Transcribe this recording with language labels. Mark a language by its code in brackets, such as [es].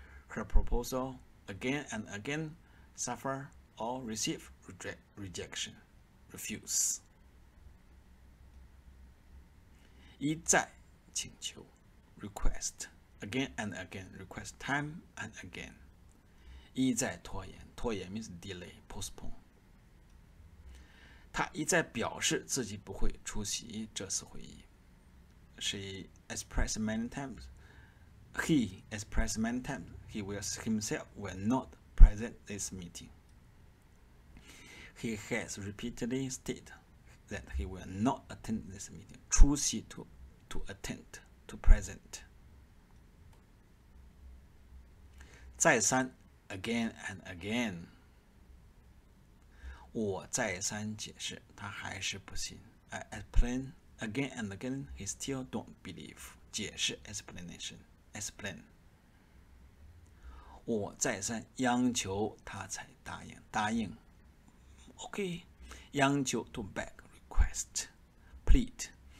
[en] Her proposal again and again suffer or receive rejection, refuse. [zh] 一再请求 [en] request again and again, request time and again. [zh] 一再拖延， [en] 拖延 means delay, postpone. [zh] 他一再表示自己不会出席这次会议。 [en] She expressed many times, he expressed many times, he was himself will not present this meeting. He has repeatedly stated that he will not attend this meeting, 出席 to attend, to present. 再三 again and again. [zh] 我再三解释，他还是不信。 [en] I explain again and again, he still don't believe. 解释 explanation, explain. [zh] 我再三央求，他才答应。答应 ，OK. [en] 央求 to beg, request, plead.